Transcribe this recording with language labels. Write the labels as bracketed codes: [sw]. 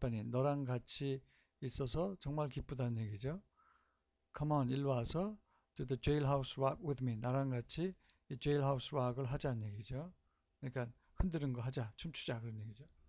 [ko] 너랑 같이 있어서 정말 기쁘다는 얘기죠. [en] Come on, [ko] 일로 와서 [en] to the jailhouse rock with me. [ko] 나랑 같이 이 jailhouse rock을 하자는 얘기죠. 그러니까 흔드는 거 하자, 춤추자 그런 얘기죠.